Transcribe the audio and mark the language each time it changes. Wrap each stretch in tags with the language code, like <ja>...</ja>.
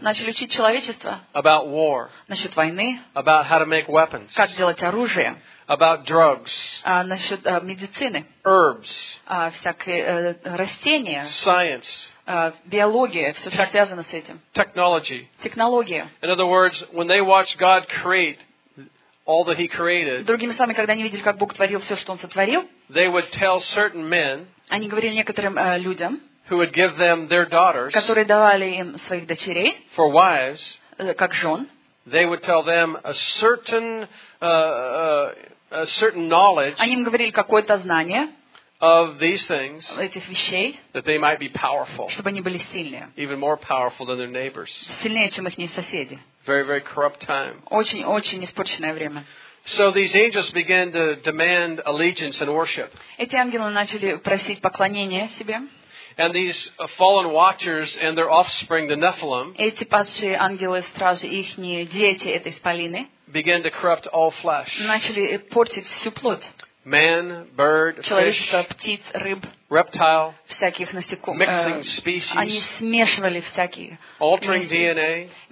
<ru>начали учить человечество,</ru> <en>about war,</en> <ru>насчет войны,</ru> <en>about how to make weapons,</en> <ru>как делать оружие,</ru> <en>about drugs,</en> <ru>насчет медицины,</ru> <en>herbs,</en> <ru>всякие растения,</ru> <en>science,</en> <ru>биология, все, что связано с этим,</ru> <en>technology,</en> <ru>технология.</ru> <en>In other words, when they watched God create all that He created,</en> <ru>другими словами, когда они видели, как Бог творил все, что Он сотворил,</ru> <en>they would tell certain men,</en> <ru>они говорили некоторым людям,</ru> <en>who would give them their daughters,</en> <ru>которые давали им своих дочерей,</ru> <en>for wives,</en> <ru>как жен.</ru> <en>They would tell them a certain knowledge.</en> <ru>Они им говорили какое-то знание.</ru> <en>Of these things.</en> <ru>Этих вещей.</ru> <en>That they might be powerful.</en> <ru>Чтобы они были сильнее.</ru> <en>Even more powerful than their neighbors.</en> <ru>Сильнее, чем их соседи.</ru> <en>Very, very corrupt time.</en> <ru>Очень, очень испорченное время.</ru> <en>So these angels began to demand allegiance and worship.</en> <ru>Эти ангелы начали просить поклонения себе.</ru> <en>And these fallen watchers and their offspring, the Nephilim,</en> <ru>эти падшие ангелы, стражи, ихние дети, это исполины,</ru> <en>began to corrupt all flesh.</en> <ru>Начали портить всю плоть.</ru> <en>Man, bird,</en> <ru>человечество,</ru> <en>fish,</en> <ru>птиц, рыб,</ru> <en>reptile,</en> <ru>всяких насекомых,</ru> <en>mixing species,</en> <ru>они смешивали всякие,</ru> <en>altering DNA,</en>